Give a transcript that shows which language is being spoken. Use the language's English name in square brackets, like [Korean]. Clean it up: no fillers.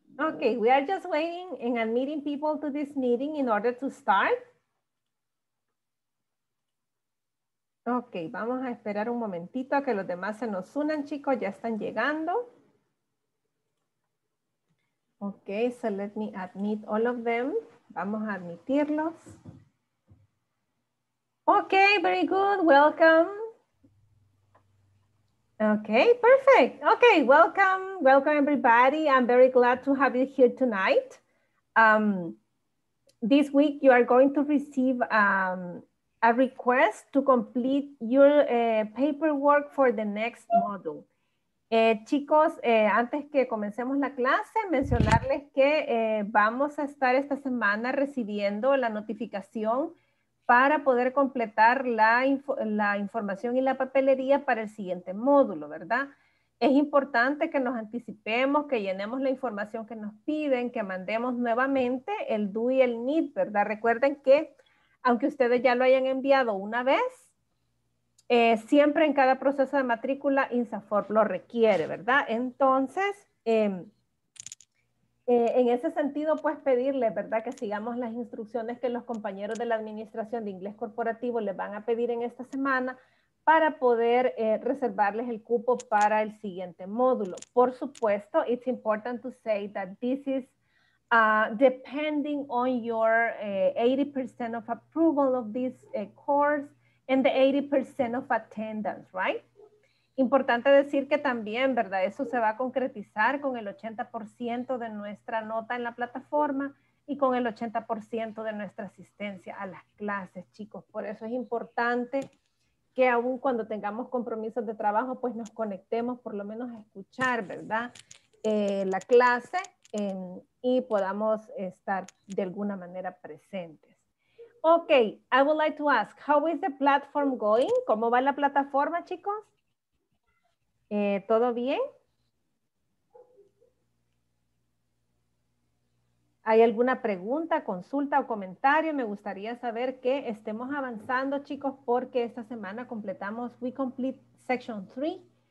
[English] Okay, we are just waiting and admitting people to this meeting in order to start. [Spanish] Okay, vamos a esperar un momentito a que los demás se nos unan, chicos. Ya están llegando. [English] Okay, so let me admit all of them. [Spanish] Vamos a admitirlos. [English] Okay, very good, welcome. Okay, perfect. Okay, welcome, welcome everybody. I'm very glad to have you here tonight. This week you are going to receive a request to complete your paperwork for the next module. [Spanish] Chicos, antes que comencemos la clase, mencionarles que vamos a estar esta semana recibiendo la notificación para poder completar la información y la papelería para el siguiente módulo, ¿verdad? Es importante que nos anticipemos, que llenemos la información que nos piden, que mandemos nuevamente el DO y el NEED, ¿verdad? Recuerden que, aunque ustedes ya lo hayan enviado una vez, siempre en cada proceso de matrícula, INSAFORP lo requiere, ¿verdad? Entonces, en ese sentido, pues pedirle, ¿verdad?, que sigamos las instrucciones que los compañeros de la Administración de Inglés Corporativo les van a pedir en esta semana para poder reservarles el cupo para el siguiente módulo. Por supuesto, [English] it's important to say that this is depending on your 80% of approval of this course, and the 80% of attendance, right? [Spanish] Importante decir que también, ¿verdad? Eso se va a concretizar con el 80% de nuestra nota en la plataforma y con el 80% de nuestra asistencia a las clases, chicos. Por eso es importante que aún cuando tengamos compromisos de trabajo, pues nos conectemos por lo menos a escuchar, ¿verdad? La clase y podamos estar de alguna manera presentes. [English] Okay, I would like to ask, how is the platform going? [Spanish] ¿Cómo va la plataforma, chicos? ¿Todo bien? ¿Hay alguna pregunta, consulta o comentario? Me gustaría saber que estemos avanzando, chicos, porque esta semana completamos, [English] we complete section 3.